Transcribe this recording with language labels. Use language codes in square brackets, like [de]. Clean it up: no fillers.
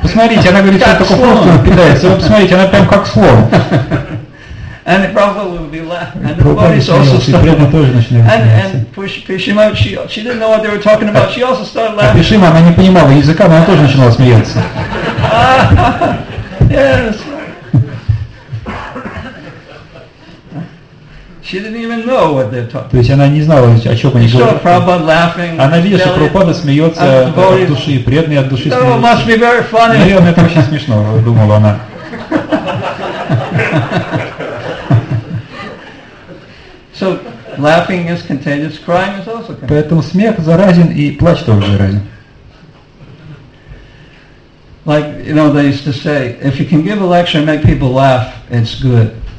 [ru] Посмотрите, она говорит, что только фрукты питается. Посмотрите, она прям как слон. [en] And the Prabhupada would be laughing. And the devotees also started. And she didn't know what they were talking about. She also started laughing. [ru] Пишима, она не понимала языка, но она тоже начинала смеяться. [en] Yes. She didn't even know what they're talking. [ru] То есть она не знала, о чем они говорят. [en] Saw Prabhupada laughing. [ru] Она видела, что Прабхупада смеется от души, преданный от души. [en] That must be very funny. [ru] Наверное, это очень смешно, думала она. [en] So laughing is contagious. Crying is also contagious. [ru] Поэтому смех заразен и плач тоже заразен. [en] Like you know, they used to say, if you can give a lecture and make people laugh, it's good.